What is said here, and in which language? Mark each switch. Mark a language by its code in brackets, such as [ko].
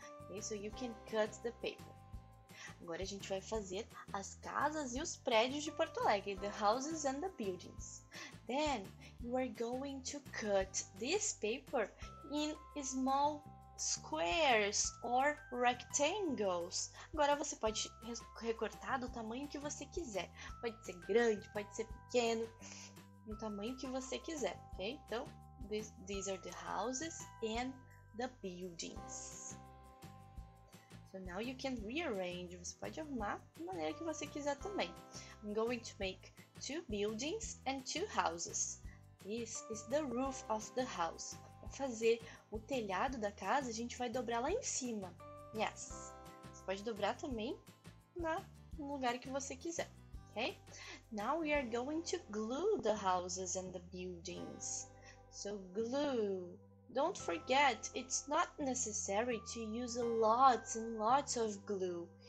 [en] Okay, so you can cut the paper. [pt] Agora a gente vai fazer as casas e os prédios de Porto Alegre, [en] the houses and the buildings. Then you are going to cut this paper in small squares or rectangles. [pt] Agora você pode recortar do tamanho que você quiser. Pode ser grande, pode ser pequeno, do tamanho que você quiser, ok? Então, [en] these are the houses and the buildings. So now you can rearrange. [pt] Você pode arrumar da maneira que você quiser também. [en] I'm going to make two buildings and two houses. This is the roof of the house. [pt] Para fazer o telhado da casa, a gente vai dobrar lá em cima. [en] Yes. [pt] Você pode dobrar também no lugar que você quiser. Ok? [en] Now we are going to glue the houses and the buildings. So, glue. Don't forget, it's not necessary to use lots and lots of glue.